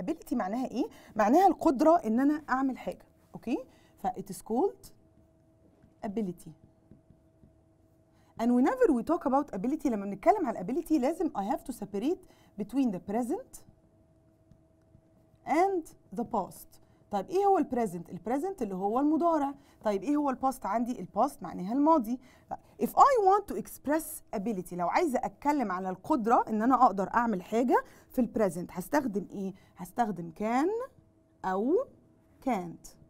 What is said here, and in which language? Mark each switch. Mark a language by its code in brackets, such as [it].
[ar] Ability معناها إيه؟ معناها القدرة إن أنا أعمل حاجة. [en] Okay? فIt is called ability. And whenever we talk about ability, [ar] لما بنتكلم على ability لازم [en] I have to separate between the present and the past. [ar] طيب ايه هو البريزنت؟ البريزنت اللي هو المضارع. طيب ايه هو الباست؟ عندي الباست معناها الماضي. [en] If I want to express ability [ar] لو عايزه اتكلم على القدره ان انا اقدر اعمل حاجه في البريزنت هستخدم ايه؟ هستخدم كان او كانت.